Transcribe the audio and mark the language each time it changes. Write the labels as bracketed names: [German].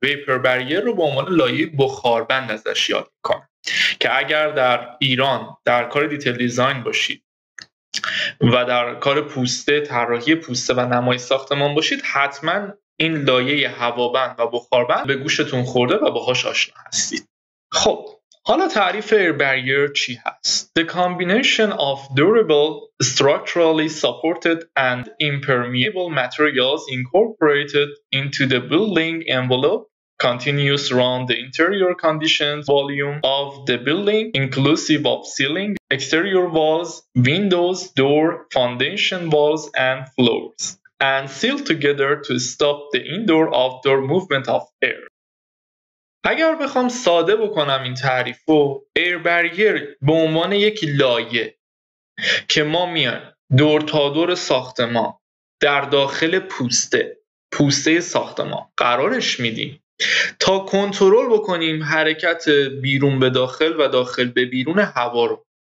[Persian] Vapor Barrier رو به عنوان لایه بخاربند ازش یاد کن، که اگر در ایران در کار دیتیل دیزاین باشید و در کار پوسته، طراحی پوسته و نمای ساختمان باشید، حتما این لایه هوابند و بخاربند به گوشتون خورده و باهاش آشنا هستید. خب حالا تعریف Air Barrier چی هست؟ [English] The combination of durable, structurally supported and impermeable materials incorporated into the building envelope continues around the interior conditions volume of the building inclusive of ceiling, exterior walls, windows, door, foundation walls and floors and seal together to stop the indoor outdoor movement of air. [Persian] اگر بخوام ساده بکنم این تعریفو، Air Barrier به عنوان یک لایه که ما میایم دور تا دور ساختمان در داخل پوسته ساختمان قرارش میدیم تا کنترل بکنیم حرکت بیرون به داخل و داخل به بیرون هوا رو.